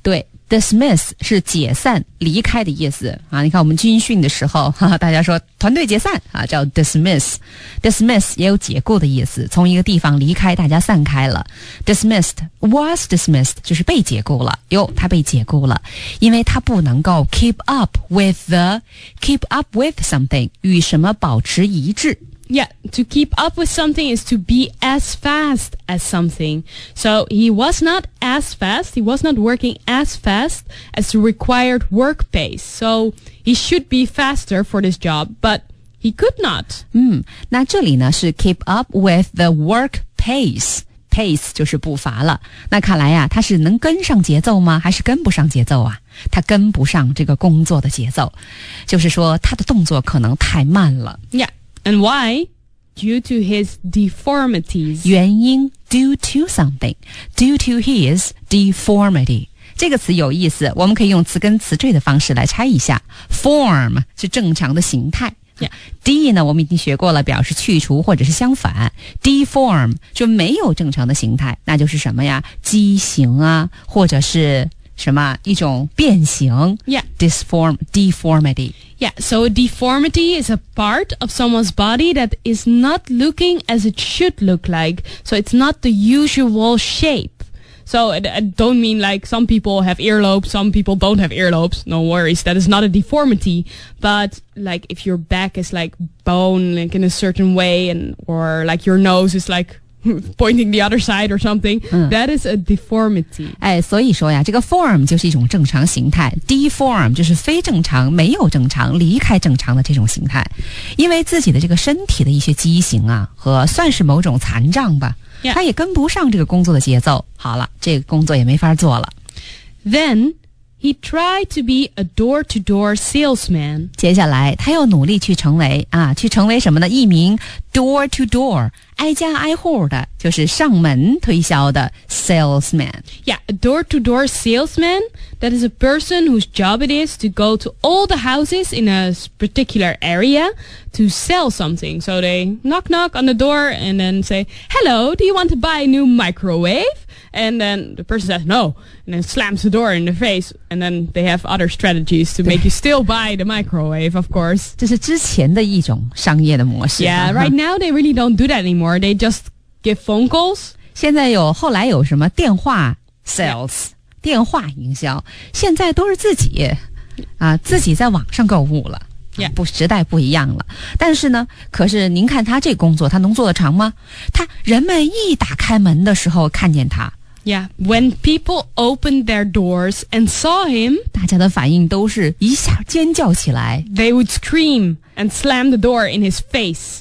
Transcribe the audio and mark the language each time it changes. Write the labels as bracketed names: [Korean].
[Chinese] 对。 Dismiss 是解散离开的意思啊！你看我们军训的时候哈哈大家说团队解散啊，叫 dismiss dismiss 也有解雇的意思从一个地方离开大家散开了 dismissed [English] was dismissed [Chinese] 就是被解雇了哟他被解雇了因为他不能够 [English] keep up with something [Chinese] 与什么保持一致 [English] Yeah, to keep up with something is to be as fast as something. So he was notas fast, he was not working as fast as the required work pace. So he should be faster for this job, but he could not. [Chinese] 那这里呢是 keep up with the work pace. Pace 就是步伐了。那看来啊，他是能跟上节奏吗？还是跟不上节奏啊？他跟不上这个工作的节奏。就是说他的动作可能太慢了。 [English] Yeah, and why? Due to his deformities. [Chinese] 原因 [English] due to something. Due to his deformity. [Chinese] 这个词有意思我们可以用词根词缀的方式来拆一下。 Form 是正常的形态。 [English] Yeah. [Chinese] D 呢我们已经学过了表示去除或者是相反。Deform 就没有正常的形态那就是什么呀畸形啊或者是什么一种变形 [English] Yeah. Deformity. Yeah, so a deformity is a part of someone's body that is not looking as it should look like. So it's not the usual shape. So I don't mean like some people have earlobes, some people don't have earlobes. No worries, that is not a deformity. But like if your back is like bone like in a certain way and or like your nose is likePointing the other side or something,that is a deformity. [Chinese] 哎，所以说呀，这个 form 就是一种正常形态 ，deform 就是非正常、没有正常、离开正常的这种形态。因为自己的这个身体的一些畸形啊，和算是某种残障吧，他也跟不上这个工作的节奏。好了，这个工作也没法做了。 [English] Then he tried to be a door-to-door salesman. [Chinese] 接下来，他又努力去成为啊，去成为什么呢？一名 door-to-door。挨家挨户的就是上门推销的 salesman. [English] Yeah, a door-to-door salesman, that is a person whose job it is to go to all the houses in a particular area to sell something. So they knock-knock on the door and then say, Hello, do you want to buy a new microwave? And then the person says no, and then slams the door in the face, and then they have other strategies to make you still buy the microwave, of course. [Chinese] 这是之前的一种商业的模式。 [English] Yeah, right now they really don't do that anymore. More. They just give phone calls. [Chinese] 现在有后来有什么电话 sales、yeah. 电话营销现在都是自己、自己在网上购物了、 [English] yeah. [Chinese] 不时代不一样了但是呢可是您看他这工作他能做得长吗他人们一打开门的时候看见他 [English] Yeah, when people opened their doors and saw him [Chinese] 大家的反应都是一下尖叫起来 [English] They would screamAnd slam the door in his face.